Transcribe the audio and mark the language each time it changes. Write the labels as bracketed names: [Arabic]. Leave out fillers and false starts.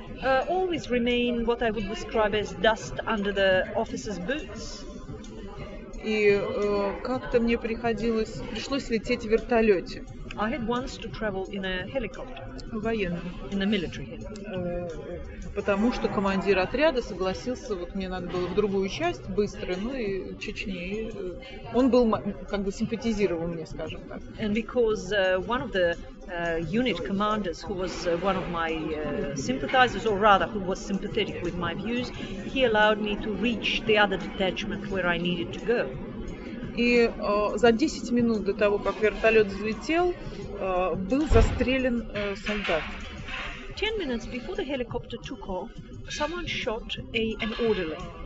[English] Russia, always remain what I would describe as dust under the officer's boots. [Russian] И как-то мне пришлось лететь в вертолете. [English] I had once to travel in a helicopter. [Russian] Военном. [English] In a military helicopter. [Russian] Потому что командир отряда согласился, вот мне надо было в другую часть быстро, ну и Чечне. Он был как бы симпатизировал мне, скажем так. [English] And because one of the unit commanders, who was one of my sympathizers, or rather, who was sympathetic with my views, he allowed me to reach the other detachment where I needed to go. [Russian] И за 10 минут до того, как вертолет взлетел, был застрелен солдат. [English] 10 minutes before the helicopter took off, someone shot an orderly.